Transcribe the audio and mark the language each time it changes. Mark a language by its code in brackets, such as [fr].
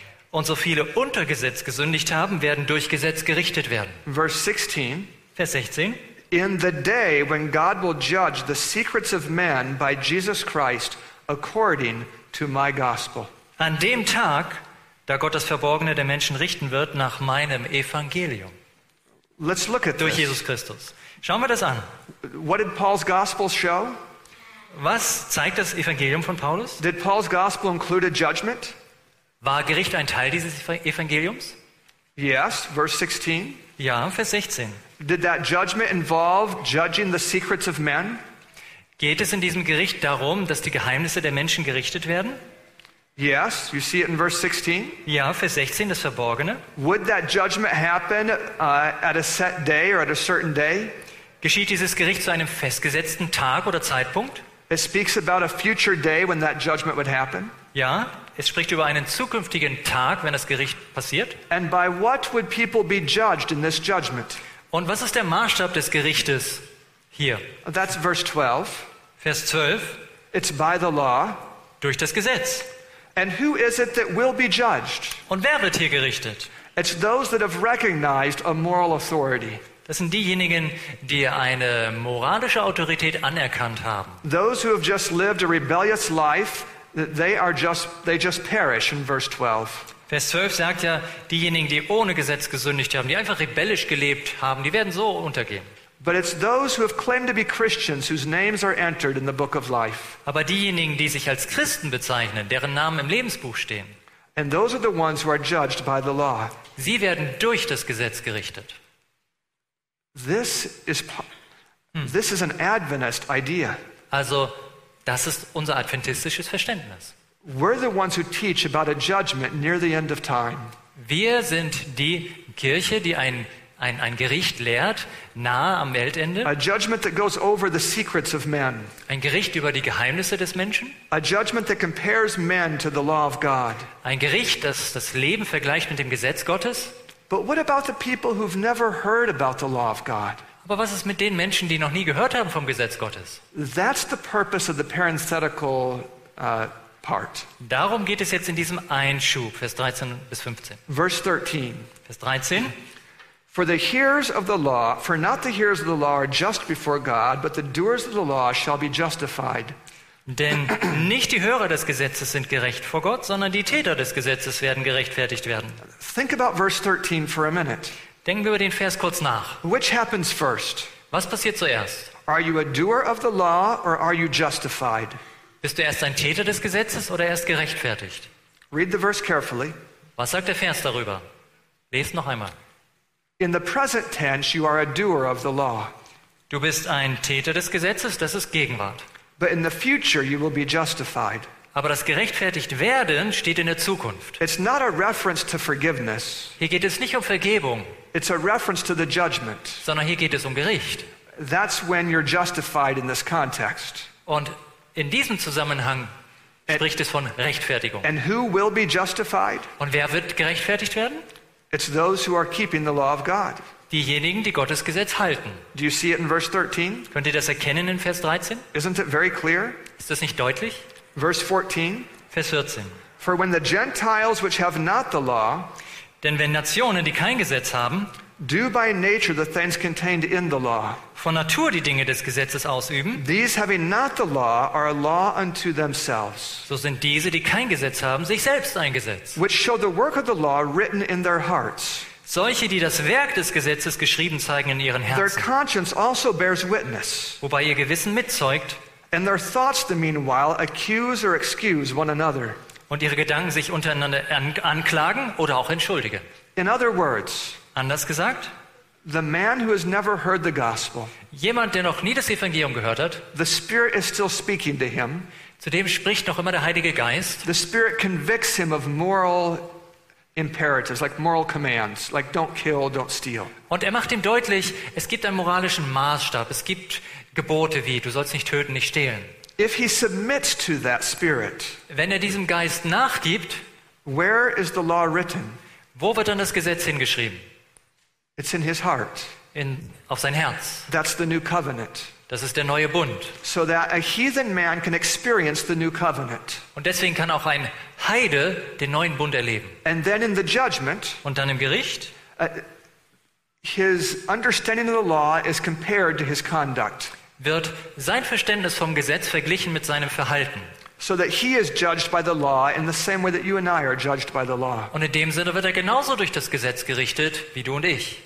[de] Und so viele unter Gesetz gesündigt haben, werden durch Gesetz gerichtet werden. [en] Verse 16. [de] Vers 16. [en] In the day when God will judge the secrets of men by Jesus Christ according to my gospel. [de] An dem Tag, da Gott das Verborgene der Menschen richten wird nach meinem Evangelium. [en] Let's look at [de] durch Jesus Christus. Schauen wir das an. [en] What did Paul's gospel show? [de] Was zeigt das Evangelium von Paulus? [en] Did Paul's gospel include a judgment? [de] War Gericht ein Teil dieses Evangeliums? [en] Yes, verse 16. [de] Ja, Vers 16. [en] Did that judgment involve judging the secrets of men? [de] Geht es in diesem Gericht darum, dass die Geheimnisse der Menschen gerichtet werden? [en] Yes, you see it in verse 16. [de] Ja, Vers 16, das Verborgene. [en] Would that judgment happen at a set day or at a certain day? [de] Geschieht dieses Gericht zu einem festgesetzten Tag oder Zeitpunkt? [en] It speaks about a future day when that judgment would happen. [de] Ja, es spricht über einen zukünftigen Tag, wenn das Gericht passiert. [en] And by what would people be judged in this judgment? [de] Und was ist der Maßstab des Gerichtes hier? [en] That's verse 12. [de] Vers 12. [en] It's by the law. [de] Durch das Gesetz. [en] And who is it that will be judged? [de] Und wer wird hier gerichtet? [en] It's those that have recognized a moral authority. [de] Das sind diejenigen, die eine moralische Autorität anerkannt haben. [en] Those who have just lived a rebellious life, they just perish in verse 12. [de] Vers 12 sagt ja, diejenigen, die ohne Gesetz gesündigt haben, die einfach rebellisch gelebt haben, die werden so untergehen. [en] But it's those who have claimed to be Christians whose names are entered in the book of life. [de] Aber diejenigen, die sich als Christen bezeichnen, deren Namen im Lebensbuch stehen. [en] And those are the ones who are judged by the law. [de] Sie werden durch das Gesetz gerichtet. [en] This is This is an Adventist idea. [de] Also, das ist unser adventistisches Verständnis. [en] We're the ones who teach about a judgment near the end of time. [de] Wir sind die Kirche, die ein Gericht lehrt, nahe am Weltende. [en] A judgment that goes over the secrets of men. [de] Ein Gericht über die Geheimnisse des Menschen. [en] A judgment that compares men to the law of God. [de] Ein Gericht, das das Leben vergleicht mit dem Gesetz Gottes. [en] But what about the people who've never heard about the law of God? [de] Aber was ist mit den Menschen, die noch nie gehört haben vom Gesetz Gottes? [en] That's the purpose of the parenthetical part. [de] Darum geht es jetzt in diesem Einschub, Vers 13 bis 15. [en] Verse 13. [de] Vers 13. [en] For the hearers of the law, for not the hearers of the law are just before God, but the doers of the law shall be justified. [de] Denn nicht die Hörer des Gesetzes sind gerecht vor Gott, sondern die Täter des Gesetzes werden gerechtfertigt werden. [en] Think about verse 13 for a minute. [de] Denken wir über den Vers kurz nach. [en] Which happens first? [de] Was passiert zuerst? [en] Are you a doer of the law or are you justified? [de] Bist du erst ein Täter des Gesetzes oder erst gerechtfertigt? [en] Read the verse carefully. [de] Was sagt der Vers darüber? Lest noch einmal. [en] In the present tense, you are a doer of the law. [de] Du bist ein Täter des Gesetzes, das ist Gegenwart. [en] But in the future, you will be justified. [de] Aber das gerechtfertigt werden steht in der Zukunft. [en] It's not a reference to forgiveness. [de] Hier geht es nicht um Vergebung. [en] It's a reference to the judgment. [de] Sondern hier geht es um Gericht. [en] That's when you're justified in this context. [de] Und in diesem Zusammenhang spricht es von Rechtfertigung. [en] And who will be justified? [de] Und wer wird gerechtfertigt werden? [en] It's those who are keeping the law of God. [de] Diejenigen, die Gottes Gesetz halten. [en] Do you see it in verse 13? [de] Könnt ihr das erkennen in Vers 13? [en] Isn't it very clear? [de] Ist das nicht deutlich? [en] Verse 14. [de] Vers 14. [en] For when the Gentiles which have not the law, [de] denn wenn Nationen, die kein Gesetz haben, [en] do by nature the things contained in the law, [de] von Natur die Dinge des Gesetzes ausüben, [en] these having not the law are a law unto themselves, [de] so sind diese, die kein Gesetz haben, sich selbst ein Gesetz, [en] which show the work of the law written in their hearts. [de] Solche, die das Werk des Gesetzes geschrieben zeigen in ihren Herzen, [en] their conscience also bears witness, [de] wobei ihr Gewissen mitzeugt, [en] and their thoughts the meanwhile accuse or excuse one another, [de] und ihre Gedanken sich untereinander anklagen oder auch entschuldigen. [en] In other words, [de] anders gesagt, [en] the man who has never heard the gospel, [de] jemand, der noch nie das Evangelium gehört hat, [en] the Spirit is still speaking to him, [de] zu dem spricht noch immer der Heilige Geist, [en] the Spirit convicts him of moral imperatives, like moral commands, like don't kill, don't steal. [de] Und er macht ihm deutlich, es gibt einen moralischen Maßstab, es gibt Gebote wie, du sollst nicht töten, nicht stehlen. [en] If he submits to that Spirit, [de] wenn er diesem Geist nachgibt, [en] where is the law written? [de] Wo wird dann das Gesetz hingeschrieben? [en] It's in his heart. [de] Auf sein Herz. [en] That's the new covenant. [de] Das ist der neue Bund. [en] So that a heathen man can experience the new covenant. [de] Und deswegen kann auch ein Heide den neuen Bund erleben. [en] And then in the judgment, [de] und dann im Gericht, [en] his understanding of the law is compared to his conduct. [de] Wird sein Verständnis vom Gesetz verglichen mit seinem Verhalten. [en] So that he is judged by the law in the same way that you and I are judged by the law. [de] Und in dem Sinne wird er genauso durch das Gesetz gerichtet wie du und ich.